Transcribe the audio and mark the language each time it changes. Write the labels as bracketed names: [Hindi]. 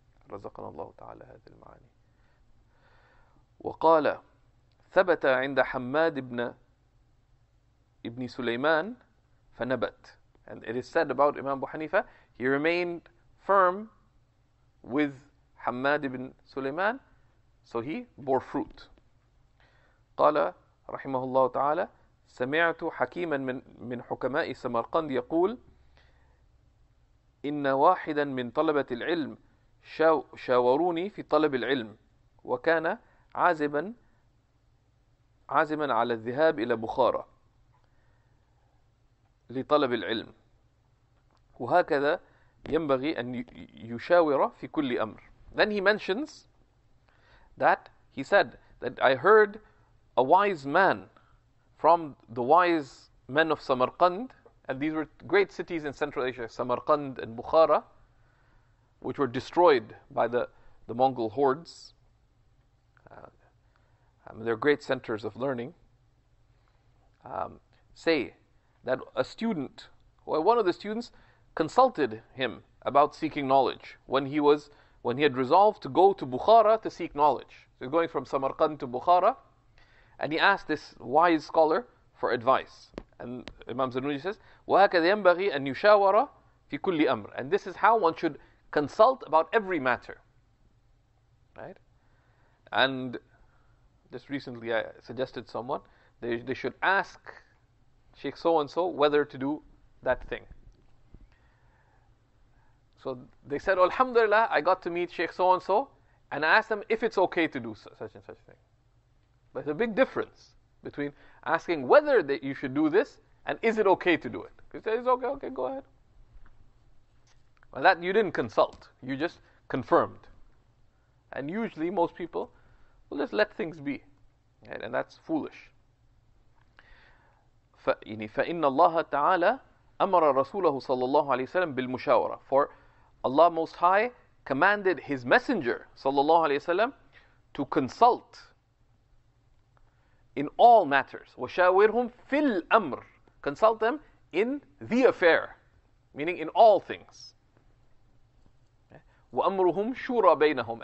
[Arabic] رزقنا الله تعالى هذه المعاني. وقال ثبت عند حماد ابن سليمان فنبت. [English] And it is said about Imam Abu Hanifa, he remained firm with Hamad ibn Sulaiman, so he bore fruit. [Arabic] قال رحمه الله تعالى سمعت حكيما من حكماء سمرقند يقول إن واحدا من طلبة العلم شاوروني في طلب العلم وكان عازما على الذهاب إلى بخارى لطلب العلم وهكذا ينبغي أن يشاور في كل أمر. [English] Then he mentions that he said that I heard a wise man from the wise men of Samarkand, and these were great cities in Central Asia, Samarkand and Bukhara, which were destroyed by the Mongol hordes. They're great centers of learning. Say that a student, well, one of the students consulted him about seeking knowledge when he had resolved to go to Bukhara to seek knowledge. So going from Samarkand to Bukhara, and he asked this wise scholar for advice. And Imam Zanuji says, [Arabic] وَهَكَذَا يَنْبَغِي أَنْ يُشَاوَرَ فِي كُلِّ أَمْرٍ. [English] And this is how one should consult about every matter. Right? And just recently I suggested someone, they should ask Sheikh so-and-so whether to do that thing. So they said, Alhamdulillah, I got to meet Sheikh so-and-so, and I asked them if it's okay to do such and such thing. But there's a big difference between asking whether that you should do this and is it okay to do it. He said, it's okay, okay, go ahead. Well, that you didn't consult. You just confirmed. And usually most people just let things be. Right? And that's foolish. [Arabic] يعني فإن الله تعالى أمر رسوله صلى الله عليه وسلم بالمشاورة. [English] For Allah Most High commanded His Messenger صلى الله عليه وسلم to consult in all matters. [Arabic] وشاورهم في الأمر. [English] Consult them in the affair. Meaning in all things. [Arabic] وأمرهم شورى بينهم.